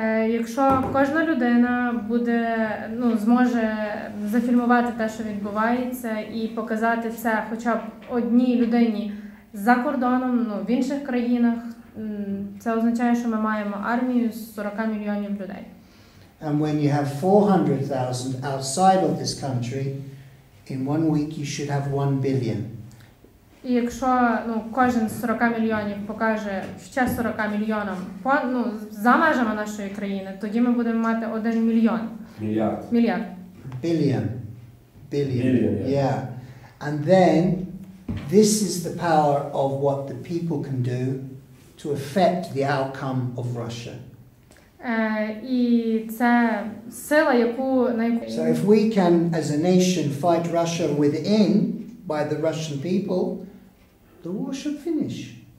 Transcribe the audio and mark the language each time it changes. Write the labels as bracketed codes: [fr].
[uk] Якщо кожна людина буде, ну, зможе зафільмувати те, що відбувається, і показати це хоча б одній людині за кордоном, ну, в інших країнах, це означає, що ми маємо армію з 40 мільйонів людей. [en] And when you have 400,000 outside of this country, in one week you should have 1 billion. [uk] І якщо, ну, кожен з 40 мільйонів покаже ще 40 мільйонам, ну, за межами нашої країни, тоді ми будемо мати 1 мільйон. Мільярд. [en] Billion. Billion. Yeah. And then this is the power of what the people can do to affect the outcome of Russia. [uk] І це сила, яку [en] So if we can as a nation fight Russia within by the Russian people, the war should finish.